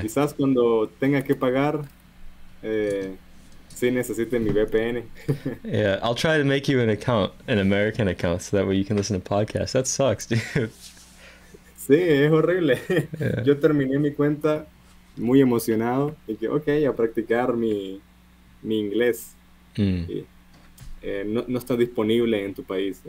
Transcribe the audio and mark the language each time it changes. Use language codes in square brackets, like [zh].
[es] Quizás cuando tenga que pagar, sí necesite mi VPN. [en] Yeah, I'll try to make you an account, an American account, so that way you can listen to podcasts. That sucks, dude. [es] Sí, es horrible. Yo terminé mi cuenta muy emocionado y que, ok, a practicar mi inglés. Y no, no está disponible en tu país.